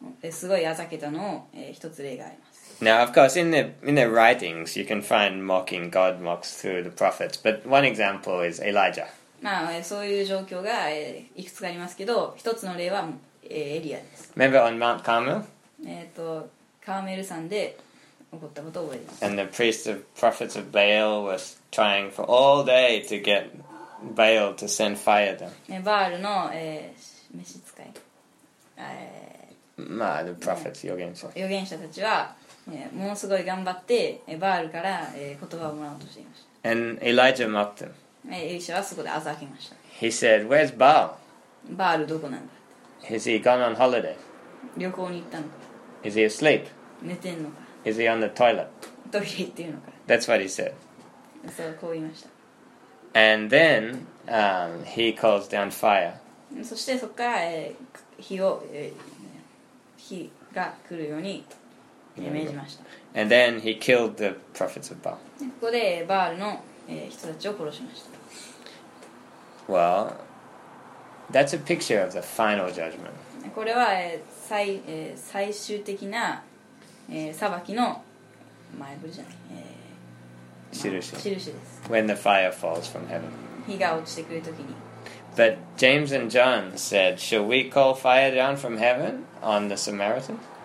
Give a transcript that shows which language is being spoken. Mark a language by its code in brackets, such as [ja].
[ja] すごいやざけたのを、一つ例があります。 [en] Now, of course, in their writings, you can find mocking God mocks through the prophets. But one example is Elijah. [ja] まあ、そういう状況が、いくつかありますけど、一つの例は、エリアです。 [en] Remember on Mount Carmel? [ja] カーメル山で起こったことを覚えています。 [en] And the priests of prophets of Baal was trying for all day to get Baal to send fire to them. [ja] バールの、召使い。まあ、 [en] the prophets, [ja] 預言者。預言者たちは、ものすごい頑張って、バールから、言葉をもらおうとしていました。 [en] And Elijah mocked them. [ja] エリシャはそこであざけました。 [en] He said, where's Baal? [ja] バールどこなんだ? [en] Has he gone on holiday? [ja] 旅行に行ったのか。 [en] Is he asleep? [ja] 寝てんのか。 [en] Is he on the toilet? [ja] トイレ行ってるのか。 [en] That's what he said. [ja] そう、こう言いました。 [en] And then, he calls down fire. [ja] そしてそこから、火が来るように、 [en] And then he killed the prophets of Baal. [ja] ここでバールの人たちを殺しました。 [en] Well, that's a picture of the final judgment. [ja] これは最終的な裁きの前ぶりじゃない。印です。 [en] When the fire falls from heaven. [ja] 火が落ちてくるときに。 [en] But James and John said, "Shall we call fire down from heaven on the Samaritans?"